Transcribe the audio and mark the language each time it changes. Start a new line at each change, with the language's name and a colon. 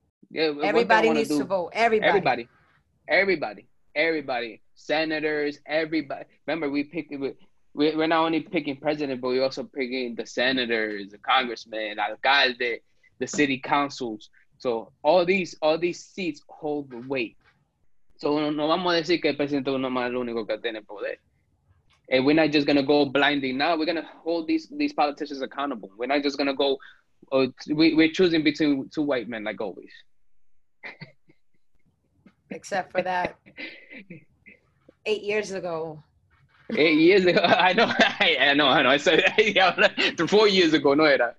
English: yeah, everybody needs to vote. Everybody. Senators, everybody. Remember, we're not only picking president, but we're also picking the senators, the congressmen, alcalde, the city councils. So all these seats hold the weight.
Spanish: So no vamos a decir que el presidente no es el único que tiene poder.
English: And we're not just going to go blindly. Now we're going to hold these politicians accountable. We're not just going to go, we're choosing between two white men like always. Except for that 8 years ago. 8 years ago. I know. I said 4 years ago.
Spanish: No era.